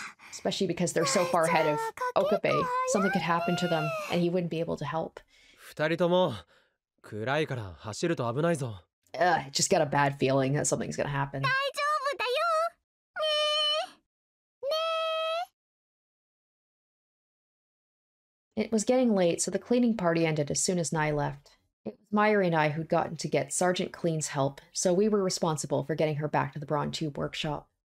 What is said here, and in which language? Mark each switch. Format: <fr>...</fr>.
<en>Especially because they're so far ahead of Okabe. Something could happen to them and he wouldn't be able to help.</en> <ja>二人とも暗いから走ると危ないぞ。</ja> <en>Just got a bad feeling that something's gonna happen.</en> <ja>大丈夫だよ。ねえ。ねえ。</ja> <en>It was getting late, so the cleaning party ended as soon as Nai left. It was Mairi and I who'd gotten to get Sergeant Clean's help, so we were responsible for getting her back to the Bronze Tube workshop.</en>